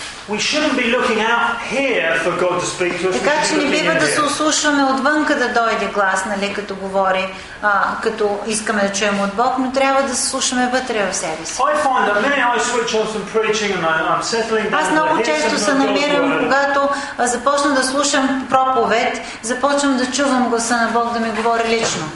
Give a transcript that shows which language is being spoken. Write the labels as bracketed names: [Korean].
[English] We shouldn't be looking out here for God to speak to us. [Bulgarian] Така че не бива да се услушваме отвън, да дойде глас, нали, като говори, като искаме да чуем от Бог, но трябва да се слушаме вътре в себе си. [English] I find that many I switch on some preaching and I'm settling down. [Bulgarian] Аз много често се намирам, когато започна да слушам проповед, започвам да чувам гласа на Бог да ми говори лично.